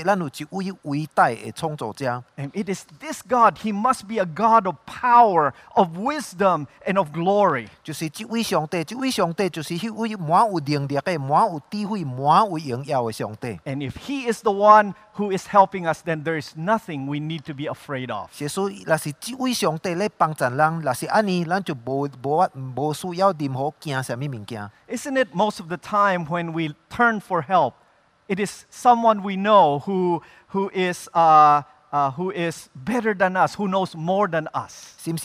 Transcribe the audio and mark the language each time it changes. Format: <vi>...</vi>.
<nan>这个诗人讲说，其实咱全世界一切的物件是底下咧最见证，说咱有一位伟大的创造者。</nan> <en>And it is this God, He must be a God of power, of wisdom, and of glory.</en> <nan>就是这位上帝，这位上帝就是那位满有能力的、满有智慧、满有荣耀的上帝。</nan> <en>And if He is the one who is helping us, then there is nothing we need to be afraid of.</en> <nan>所以，若是这位上帝咧帮助咱，若是安尼，咱就无需要任何惊什么物件。</nan> <en>Isn't it most of the time when we turn for help, it is someone we know who is better than us, who knows more than us?</en>